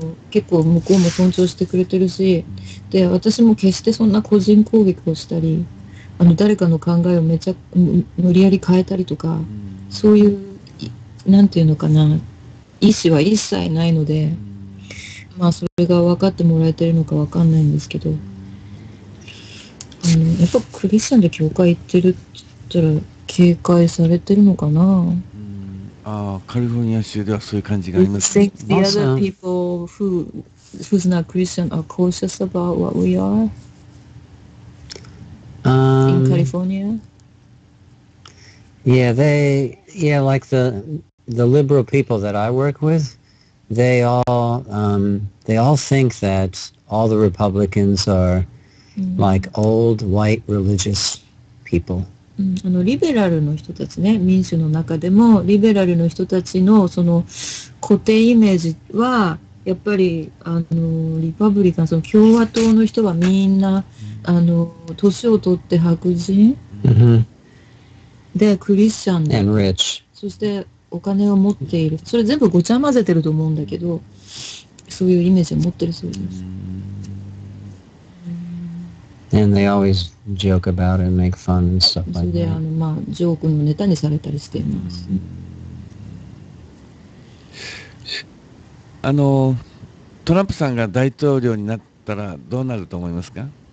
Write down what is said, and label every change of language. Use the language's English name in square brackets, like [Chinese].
[Japanese] 結構向こうも尊重してくれてるし、で、私も決してそんな個人攻撃をしたり、誰かの考えをめちゃ無理やり変えたりとか、そういう、なんていうのかな、意思は一切ないので、まあそれが分かってもらえてるのか分かんないんですけど、やっぱクリスチャンで教会行ってるって言ったら、警戒されてるのかな。ああ、カリフォルニア州ではそういう感じがありますね。 [English] You think the other people who's not Christian are cautious about what we are? In California? Yeah, like the liberal people that I work with, they all think that all the Republicans are like old white religious people. [Japanese] リベラルの人たちね、民主の中でもリベラルの人たちのその固定イメージはやっぱりリパブリカン、その共和党の人はみんな年を取って白人、 [English] mm-hmm. [Japanese] でクリスチャンで [English] And rich. [Japanese] そしてお金を持っている、それ全部ごちゃ混ぜてると思うんだけど、そういうイメージを持ってるそうです。 [English] And they always joke about it and make fun and stuff like that. [Japanese] それで、まあ、ジョークのネタにされたりしています。トランプさんが大統領になったらどうなると思いますか？